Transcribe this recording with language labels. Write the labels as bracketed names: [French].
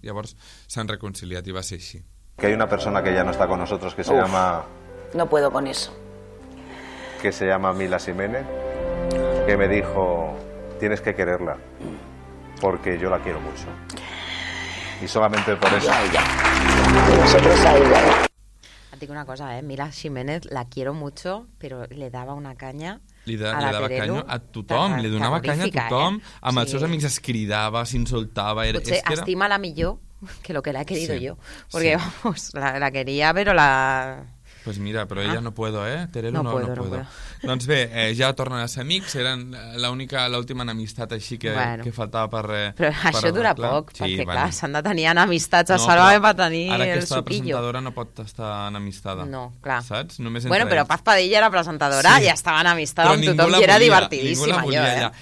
[Catalan] Llavors s'han reconciliat i va ser així. [Spanish] Que hay una persona que ya no está con nosotros que se llama... No puedo con eso. Que se llama Mila Ximénez, que me dijo, tienes que quererla porque yo la quiero mucho. Y solamente por eso. Ay, ay, ay. Nosotros a ella. Digo una cosa, Mila Ximénez, la quiero mucho, pero le daba una caña [Catalan] a tothom, amb els seus amics es cridava, s'insultava. Potser estima-la millor [Spanish] que lo que la he querido yo, porque vamos, la quería, pero la... Pues mira, però ella no puedo, Terelu, no puedo. [Catalan] Doncs bé, ja tornen a ser amics, eren l'última enemistat així que faltava per... Però això dura poc, perquè clar, s'han de tenir enemistats, Sálvame per tenir el suquillo. Ara aquesta presentadora no pot estar enamistada. No, clar. Saps? Només entre ells. Bueno, però Paz Padilla era presentadora i estava enamistada amb tothom i era divertidíssima allò,